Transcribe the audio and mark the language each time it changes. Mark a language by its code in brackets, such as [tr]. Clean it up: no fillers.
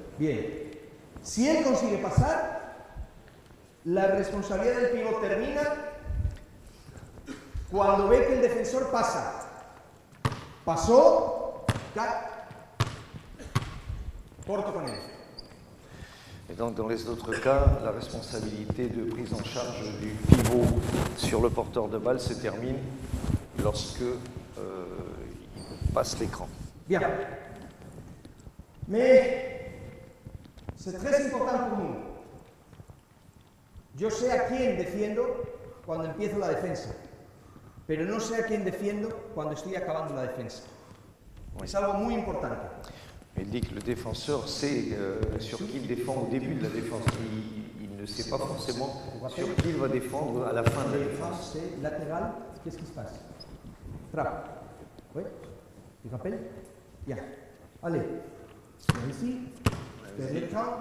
[es] Bien. Si él consigue pasar, la responsabilidad del pivot termina cuando ve que el defensor pasa. Pasó, cac, corto con él. [fr] Et donc dans les autres cas, la responsabilité de prise en charge du pivot sur le porteur de balle se termine lorsque il passe l'écran. Bien. Mais c'est très important pour nous. [es] Yo sé a quién defiendo cuando empiezo la defensa, pero no sé a quién defiendo cuando estoy acabando la defensa. [fr] Oui. [es] Es algo muy importante. [fr] Il dit que le défenseur sait sur qui il défend au début de la défense. Il ne sait pas forcément sur qui il va défendre à la fin de la défense. C'est latéral, qu'est-ce qui se passe? Trap. Oui? Tu rappelles? Bien. Allez. Bien ici. C'est l'écran.